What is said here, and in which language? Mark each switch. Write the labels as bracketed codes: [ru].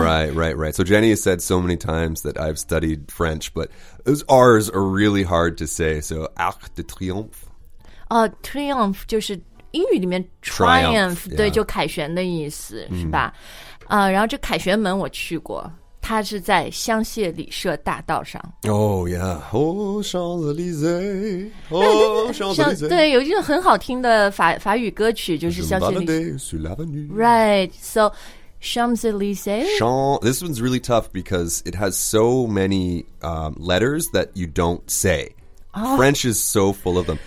[en] Right, right, right So Jenny has said so many times that I've studied French But those R's are really hard to say So Arc de Triomphe [zh] Triumph 就是英语里面 triumph, 对、 [en] yeah. [zh] 就凯旋的意思、mm. 是吧、然后这凯旋门我去过它是在香榭里舍大道上 [en] Oh yeah Oh Champs-Élysées Oh Champs-Élysées [zh] 对有一个很好听的 法语歌曲就是香榭里舍 [fr] sur l'avenue [en] Right So Champs-Élysées This one's really tough because it has so many、letters that you don't sayFrench is so full of them.